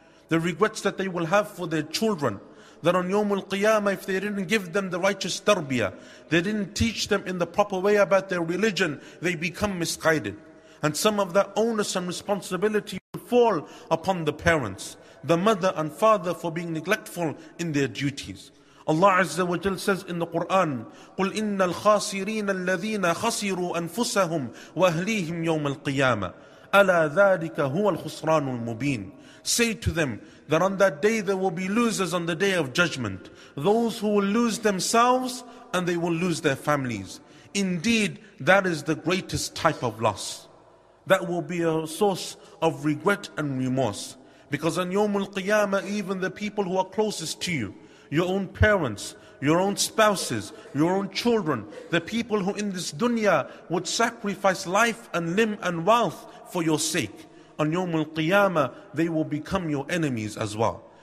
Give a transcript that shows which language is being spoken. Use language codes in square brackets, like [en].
[en] The regrets that they will have for their children, that on Yawm al-Qiyamah, if they didn't give them the righteous tarbiyah, they didn't teach them in the proper way about their religion, they become misguided. And some of that onus and responsibility will fall upon the parents, the mother and father, for being neglectful in their duties. Allah Azza wa Jal says in the Quran, [ar] قُلْ إِنَّ الْخَاسِرِينَ الَّذِينَ خَسِرُوا أَنفُسَهُمْ وَأَهْلِيهِمْ يَوْمَ الْقِيَامَةِ أَلَا ذَلِكَ هُوَ الْخُسْرَانُ الْمُبِينَ. [en] Say to them that on that day there will be losers on the day of judgment, those who will lose themselves and they will lose their families. Indeed, that is the greatest type of loss. That will be a source of regret and remorse. Because on Yawm al-Qiyamah, even the people who are closest to you, your own parents, your own spouses, your own children, the people who in this dunya would sacrifice life and limb and wealth for your sake, on Yawm al-Qiyamah, they will become your enemies as well.